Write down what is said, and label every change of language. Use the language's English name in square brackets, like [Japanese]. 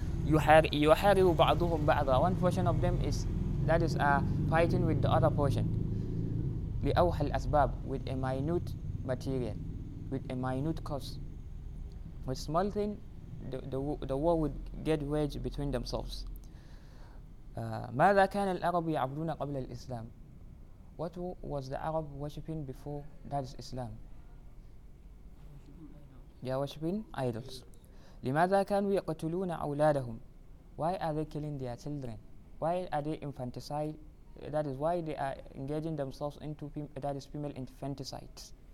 [Arabic] يُحَارِبُ بَعْضُهُمْ بَعْضًا. [English] One portion of them is, that is fighting with the other portion. [Arabic] لِأَوْحَ الْأَسْبَابِ. [English] With a minute material, with a minute cause. With small thing, the war would get waged between themselves. [Arabic] ماذا كان العرب يعبدون قبل الإسلام. [English] What was the Arab worshipping before that is Islam? They are worshipping idols. [Arabic] لماذا كانوا يقتلون أولادهم. [English] Why are they killing their children? Why are they infanticide? That is why they are engaging themselves into female infanticides.